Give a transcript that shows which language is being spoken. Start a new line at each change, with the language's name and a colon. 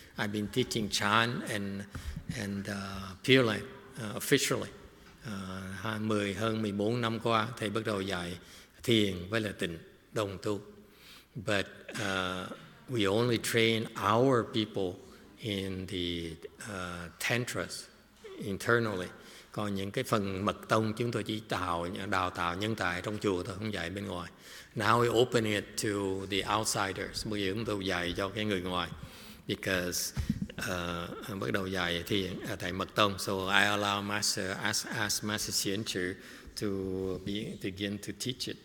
English: I've been teaching Chan and Pure Land officially.
Vietnamese: 20 hơn 14 năm qua thầy bắt đầu dạy thiền với là tịnh đồng tu.
English: But we only train our people in the tantras internally.
Vietnamese: Còn những cái phần mật tông chúng tôi chỉ đào tạo nhân tài trong chùa thôi, không dạy bên ngoài.
English: Now we open it to the outsiders.
Vietnamese: Bây giờ chúng tôi dạy cho cái người ngoài.
English: Because
Vietnamese: bắt đầu dạy thì thầy mật tông,
English: so I allow Master ask Master Xian Chu to begin to teach it.